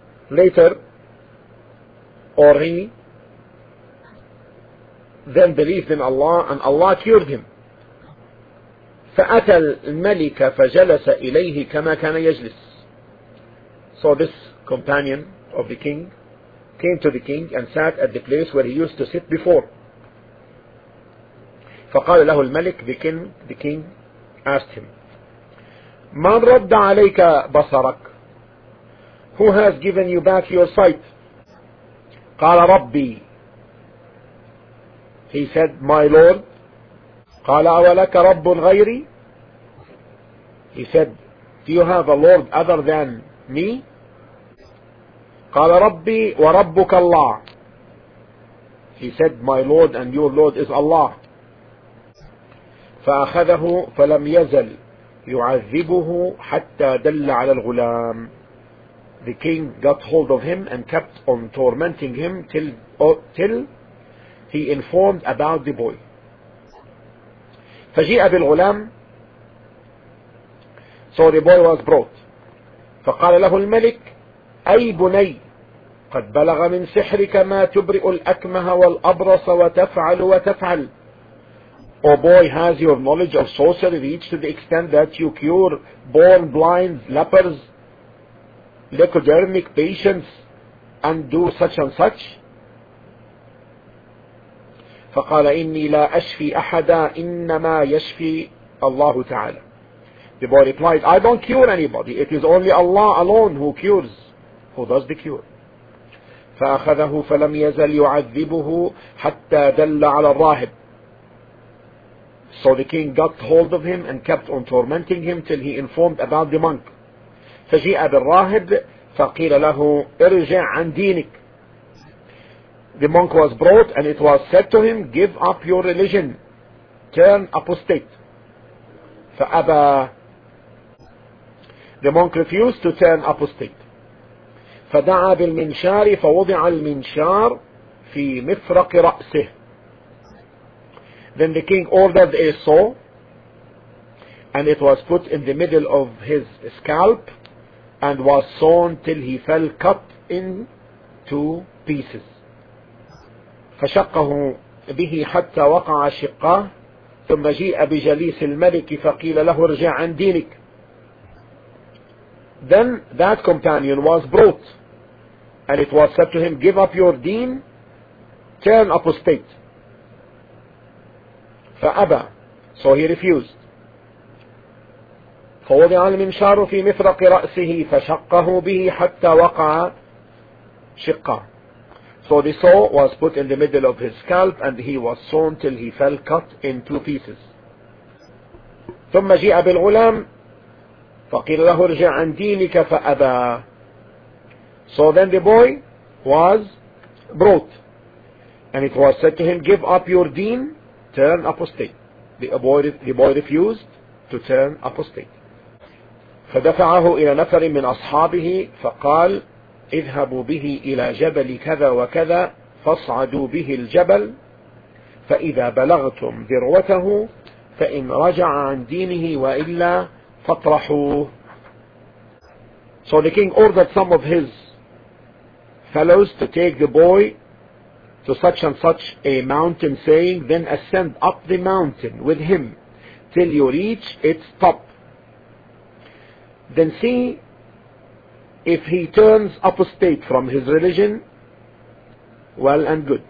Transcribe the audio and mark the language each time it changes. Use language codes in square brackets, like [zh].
[en] Later, or he then believed in Allah and Allah cured him. [ar] فأتى الملك فجلس إليه كما كان يجلس. [en] So this companion of the king came to the king and sat at the place where he used to sit before. [ar] فقال له الملك, [en] the king asked him, [ar] من رد عليك بصرك? [en] Who has given you back your sight? [ar] قال ربي. [en] He said, my lord. [ar] قال أولك رب غيري? [en] He said, do you have a lord other than me? [ar] قال ربي وربك الله. [en] He said, my lord and your lord is Allah. [ar] فأخذه فلم يزل يعذبه حتى دل على الغلام. [en] The king got hold of him and kept on tormenting him till he informed about the boy. [ar] فجيء بالغلام. [en] So the boy was brought. [ar] فقال له الملك, أي بني قد بلغ من سحرك ما تبرئ الأكمه والأبرص وتفعل وتفعل. [en] O boy, has your knowledge of sorcery reached to the extent that you cure born blind, lepers, leukodermic patients, and do such and such? [ar] فقال إني لا أشفي أحدا إنما يشفي الله تعالى. [en] The boy replied, I don't cure anybody. It is only Allah alone who cures, who does the cure. [ar] فأخذه فلم يزل يعذبه حتى دل على الراهب. [en] So the king got hold of him and kept on tormenting him till he informed about the monk. [ar] فجيء بالراهب فقيل له ارجع عن دينك. [en] The monk was brought and it was said to him, give up your religion, turn apostate. [ar] فأبى. [en] The monk refused to turn apostate. [ar] فدعا بالمنشار فوضع المنشار في مفرق رأسه. [en] Then the king ordered a saw, and it was put in the middle of his scalp, and was sawn till he fell cut in two pieces. [ar] فشقه به حتى وقع شقاه، ثم جيء بجليس الملك فقيل له ارجع عن دينك. [en] Then that companion was brought and it was said to him, give up your deen, turn apostate. [ar] فأبى, [en] so he refused. [ar] فوضع المنشار في مفرق رأسه فشقه به حتى وقع شقا. [en] So the saw was put in the middle of his scalp and he was sawn till he fell cut in two pieces. [ar] ثم جاء بالغلام فقيل له ارجع عن دينك فأبى. [en] So then the boy was brought and it was said to him, give up your deen, turn apostate. The boy refused to turn apostate. [ar] فدفعه إلى نفر من أصحابه فقال اذهبوا به إلى جبل كذا وكذا فاصعدوا به الجبل فإذا بلغتم ذروته فإن رجع عن دينه وإلا فاطرحوه. [en] So the king ordered some of his fellows to take the boy to such and such a mountain, saying, then ascend up the mountain with him till you reach its top. Then see if he turns apostate from his religion, well and good.